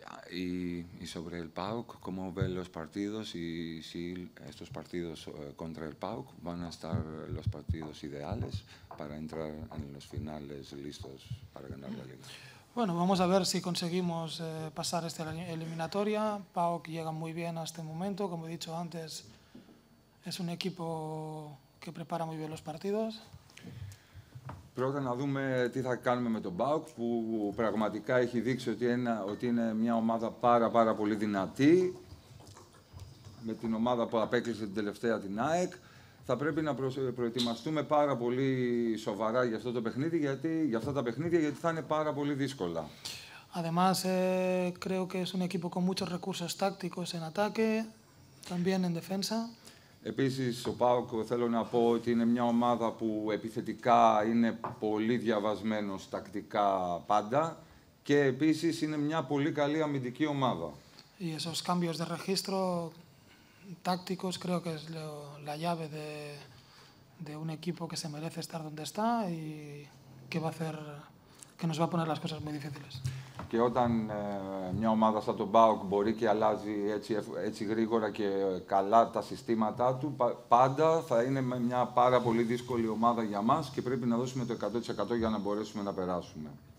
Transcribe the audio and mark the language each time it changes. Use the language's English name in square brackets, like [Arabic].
[Spanish] Y sobre el PAOK, ¿cómo ven los partidos y si estos partidos contra el PAOK van a estar los partidos ideales para entrar en los finales listos para ganar la liga? Bueno, vamos a ver si conseguimos pasar esta eliminatoria. PAOK llega muy bien a este momento. Como he dicho antes, es un equipo que prepara muy bien los partidos. [Greek] Πρώτα να δούμε τι θα κάνουμε με τον ΠΑΟΚ, που πραγματικά έχει δείξει ότι είναι μια ομάδα πάρα πολύ δυνατή, με την ομάδα που απέκλεισε την τελευταία την ΑΕΚ. Θα πρέπει να προετοιμαστούμε πάρα πολύ σοβαρά για αυτό το παιχνίδι, για αυτά τα παιχνίδια, γιατί θα είναι πάρα πολύ δύσκολα. [Spanish] Además, creo que es un equipo con muchos recursos tácticos en ataque, también en defensa. [Greek] Επίσης, ο ΠΑΟΚ θέλω να πω ότι είναι μια ομάδα που επιθετικά είναι πολύ διαβασμένος τακτικά πάντα και επίσης είναι μια πολύ καλή αμυντική ομάδα. [Spanish] Y esos cambios de registro tácticos creo que es la llave de un equipo que se merece estar donde está y que va a hacer que nos va a poner las cosas muy difíciles. [Greek] Και όταν μια ομάδα σαν τον ΠΑΟΚ μπορεί και αλλάζει έτσι γρήγορα και καλά τα συστήματά του, πάντα θα είναι μια πάρα πολύ δύσκολη ομάδα για μας και πρέπει να δώσουμε το 100% για να μπορέσουμε να περάσουμε.